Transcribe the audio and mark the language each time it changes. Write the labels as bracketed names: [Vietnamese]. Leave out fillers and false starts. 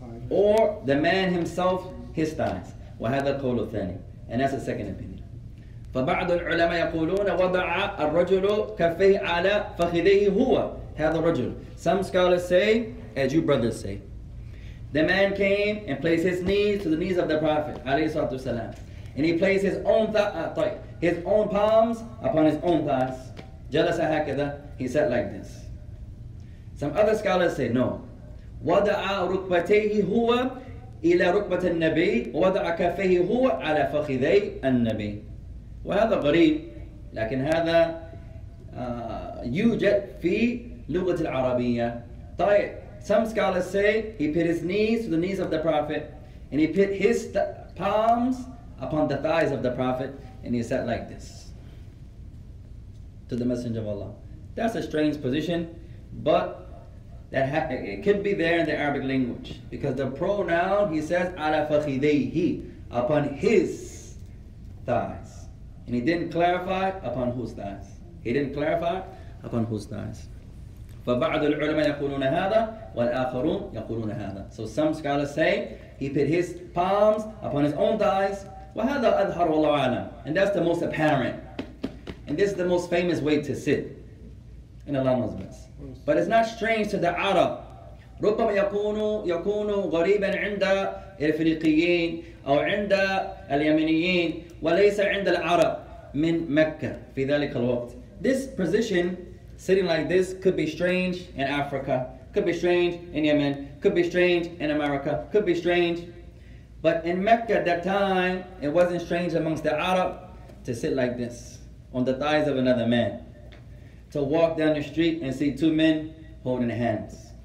[English] Or the man himself, his thighs. [Arabic] وهذا القول الثاني. [English] And that's the second opinion. [Arabic] فبعض العلماء يقولون وضع الرجل كفيه على فخذيه هو هذا الرجل. [English] Some scholars say, as you brothers say, the man came and placed his knees to the knees of the Prophet عليه الصلاة والسلام, and he placed his own palms upon his own thighs. [Arabic] جلس هكذا, [English] he sat like this. Some other scholars say no. [Arabic] وضع ركبتيه هو إلى ركبة النبي وضع كفيه هو على فخذي النبي. وهذا غريب, لكن هذا يوجد في لغة العربية. [English] طيب, some scholars say he put his knees to the knees of the Prophet, and he put his palms upon the thighs of the Prophet, and he sat like this to the Messenger of Allah. That's a strange position, but that it could be there in the Arabic language, because the pronoun, he says, ala fakhidayhi, upon his thighs. And he didn't clarify upon whose thighs. He didn't clarify upon whose thighs. [Arabic] فبعض العلماء يقولون هذا والآخرون يقولون هذا. [English] So some scholars say he put his palms upon his own thighs. [Arabic] وهذا أظهر والله أعلم. [English] And that's the most apparent. And this is the most famous way to sit in Allah knows best. But it's not strange to the Arab. [Arabic] ربما يكون غريبا عند الإفريقيين أو عند اليمنيين وليس عند العرب من مكة في ذلك الوقت. [English] This position, sitting like this, could be strange in Africa, could be strange in Yemen, could be strange in America, could be strange. But in Mecca at that time, it wasn't strange amongst the Arab to sit like this on the thighs of another man, to walk down the street and see two men holding hands.